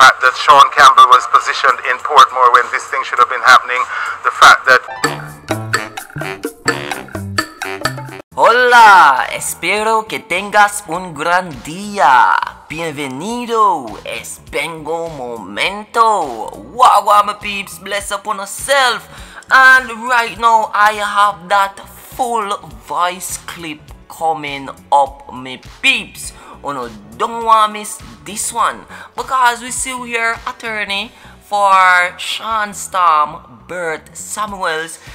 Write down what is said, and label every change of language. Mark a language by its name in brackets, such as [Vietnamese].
[English] that Sean Campbell was positioned in Portmore when this thing should have been happening. The fact that... [Spanish] Hola, espero que tengas un gran día. Bienvenido, es Bengo Momento. [English] Wow, wow, my peeps, bless up on yourself. And right now, I have that full voice clip coming up, my peeps. Oh no, don't want to miss this one. Because we still hear attorney for Sean Storm, Bert Samuels.